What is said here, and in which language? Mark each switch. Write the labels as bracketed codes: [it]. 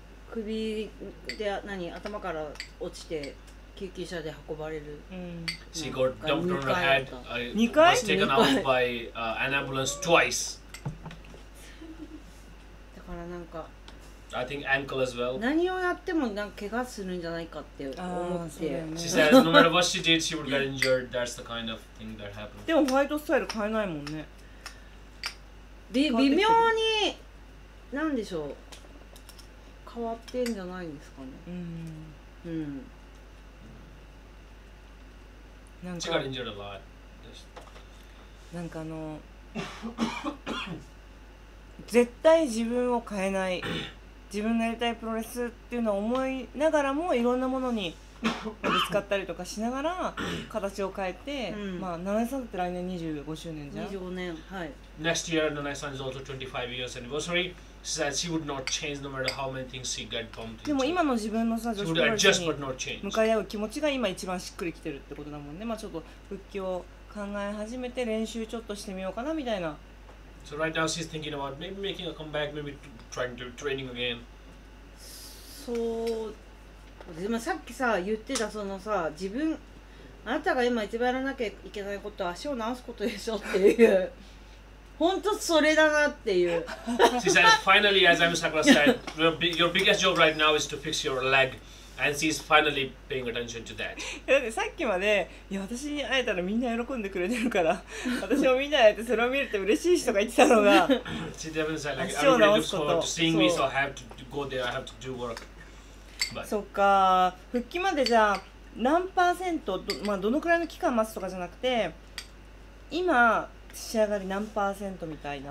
[ja] 首で何頭から落ちて救急車で運ばれる。 [en] She got dumped on her head. [ja] 2回 [en] Was taken out by an ambulance twice. [ja] からなんか [en] I think ankle as well. [ja] 何をやってもなんか怪我するんじゃないかって思って、ね、 [en] She says no matter what she did, she would get injured. That's the kind of thing that happened. [ja] でもホワイトスタイル変えないもんね。微妙に何でしょう、変わってんじゃないんですかね。うん、うん、 [en] なんか She got injured a lot. [ja] なんかあの絶対自分を変えない、自分のやりたいプロレスっていうのを思いながらもいろんなものにぶつかったりとかしながら形を変えて、うん、まあ七重さんって来年25周年じゃん。 25年、はい。 [en] Next year, Nanae San is also 25 years anniversary. She said she would not change no matter how many things she got bumped into. [ja] でも今の自分のさ、女子プロレスに向かい合う気持ちが今一番しっくりきてるってことだもんね。まあちょっと復帰を考え始めて練習ちょっとしてみようかなみたいな。 [en] So right now she's thinking about maybe making a comeback, maybe trying to training again. [ja] そう、でもさっきさ言ってたそのさ、自分、あなたが今一番やらなきゃいけないことは足を直すことでしょっていう。本当それだなっていう。 [en] She says, finally, as I'm Sakura said, your biggest job right now is to fix your leg. And she's finally paying attention to that. [ja] だってさっきまで、いや私に会えたらみんな喜んでくれてるから、私もみんな会えてそれを見れて嬉しい人が言ってたのが、 [en] She definitely said, like, everybody looks forward to seeing me, so I have to go there, I have to do work. But... [ja] そっか、復帰までじゃあ何パーセント、まあ、どのくらいの期間待つとかじゃなくて、今、仕上がり何パーセントみたいな？